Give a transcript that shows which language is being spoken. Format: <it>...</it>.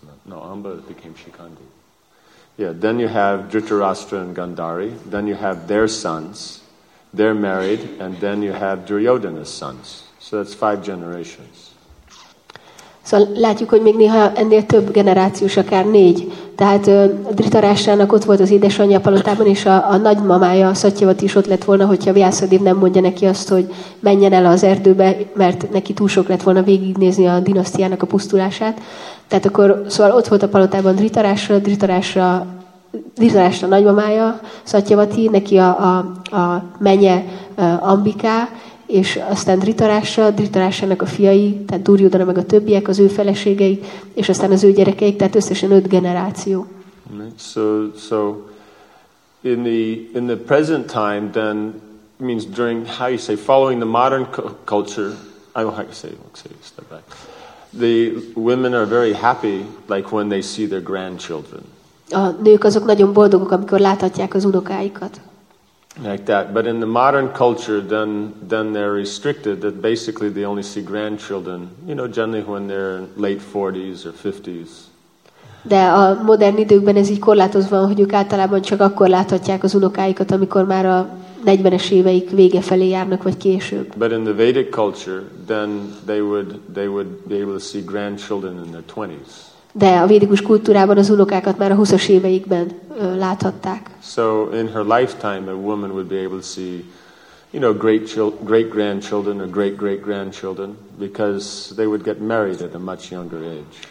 <en>Amba became Shikhandi. Yeah, then you have Dhritarashtra and Gandhari, then you have their sons, they're married, and then you have Duryodhana's sons. So that's 5 generations.</en> <hu>So látjuk, hogy még néha ennél több generációs, akár 4. Tehát Dhritarashtrának ott volt az édesanyja palotában, és a nagymamája, a Szatyavati is ott lett volna, hogyha Vyasadeva nem mondja neki azt, hogy menjen el az erdőbe, mert neki túl sok lett volna végignézni a dinasztiának a pusztulását. Tehát akkor, szóval ott volt a palotában Dhritarashtra nagymamája, Szatyavati, neki a menye Ambika, és aztán Dhritarashtrának a fiai, tehát Duryodhana meg a többiek, az ő feleségei, és aztán az ő gyerekeik, tehát összesen 5 generáció.</hu> <en>So in the present time, then means during, how you say, following the modern culture, I don't know how to say, let's say, step back. The women are very happy, like when they see their grandchildren.</en> <hu>A nők azok nagyon boldogok, amikor láthatják az unokáikat.</hu> <en>Like that, but in the modern culture, then they're restricted. That basically they only see grandchildren. You know, generally when they're late 40s or 50s.</en> <hu>De a modern időkben ez így korlátozva, hogy ők általában csak akkor láthatják az unokáikat, amikor már a 40-es éveik vége felé járnak, vagy később.</hu> <en>But in the Vedic culture, then they would be able to see grandchildren in their 20s.</en> <hu>De a védikus kultúrában az unokákat már a 20-as éveikben láthatták.</hu> <en>So in her lifetime a woman would be able to see, you know, great grandchildren or great grandchildren because they would get married at a much younger age.</en>